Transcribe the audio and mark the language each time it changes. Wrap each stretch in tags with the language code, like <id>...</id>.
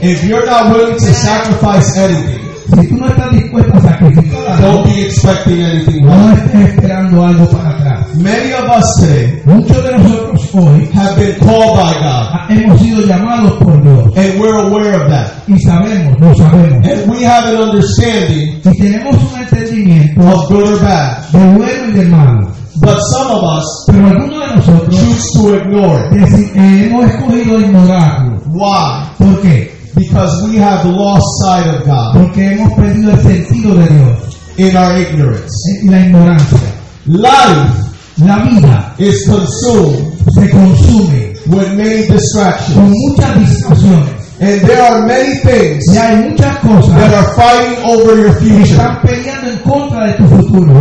<en>If you're not willing to sacrifice anything,</en> <es>si tú no estás dispuesto a sacrificar,</es> <en>don't be expecting anything.</en> <es>No estés esperando algo para atrás.</es> <en>Many of us today,</en> <es>muchos de nosotros hoy,</es> <en>have been called by God.</en> <es>Hemos sido llamados por Dios.</es> <en>And we're aware of that.</en> <es>Y sabemos, lo sabemos.</es> <en>And we have an understanding.</en> <es>Y tenemos un entendimiento</es> <en>of good or bad.</en> <es>De bueno y de malo.</es> <en>But some of us,</en> <es>pero algunos de nosotros,</es> <en>choose to ignore.</en> <es>Hemos escogido ignorarlo.</es> <en>Why?</en> <es>¿Por qué?</es> <en>Because we have lost sight of God.</en> <es>Porque hemos perdido el sentido de Dios.</es> <en>In our ignorance.</en> <es>En la ignorancia.</es> <en>Life,</en> <es>la vida,</es> <en>is consumed.</en> <es>Se consume</es> <en>with many distractions.</en> <es>Con muchas distracciones.</es> <en>And there are many things,</en> <es>y hay muchas cosas,</es> <en>that are fighting over your future.</en> <es>Están peleando en contra de tu futuro.</es>